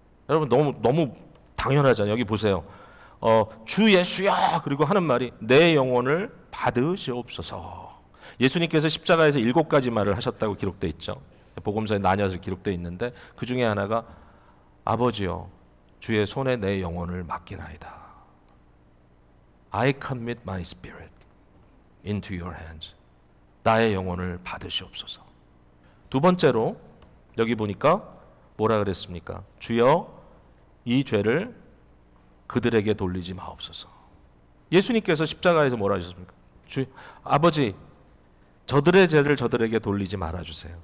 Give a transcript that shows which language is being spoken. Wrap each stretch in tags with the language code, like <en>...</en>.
<ko>여러분 너무 당연하잖아요. 여기 보세요. 주 예수야! 그리고 하는 말이 내 영혼을 받으시옵소서. 예수님께서 십자가에서 일곱 가지 말을 하셨다고 기록되어 있죠. 복음서에 나뉘어서 기록되어 있는데 그 중에 하나가 아버지여 주의 손에 내 영혼을 맡기나이다.</ko> <en>I commit my spirit into your hands.</en> <ko>나의 영혼을 받으시옵소서. 두 번째로 여기 보니까 뭐라 그랬습니까? 주여 이 죄를 그들에게 돌리지 마옵소서. 예수님께서 십자가에서 뭐라 하셨습니까? 주여 아버지 저들의 죄를 저들에게 돌리지 말아주세요.</ko>